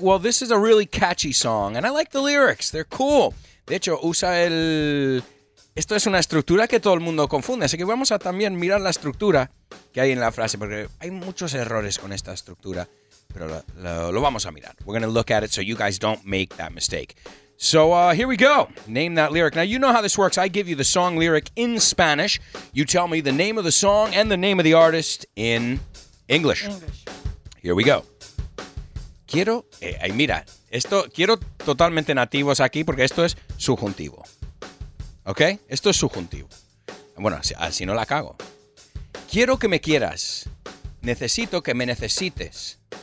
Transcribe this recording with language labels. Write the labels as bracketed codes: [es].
[en] Well, this is a really catchy song, and I like the lyrics. They're cool. [es] De hecho, usa el... Esto es una estructura que todo el mundo confunde, así que vamos a también mirar la estructura que hay en la frase, porque hay muchos errores con esta estructura, pero lo vamos a mirar. [en] We're going to look at it so you guys don't make that mistake. So here we go. Name that lyric. Now, you know how this works. I give you the song lyric in Spanish. You tell me the name of the song and the name of the artist in English. Here we go. [es] Quiero, mira, esto quiero totalmente nativos aquí porque esto es subjuntivo. ¿Ok? Esto es subjuntivo. Bueno, así no la cago. Quiero que me quieras. Necesito que me necesites.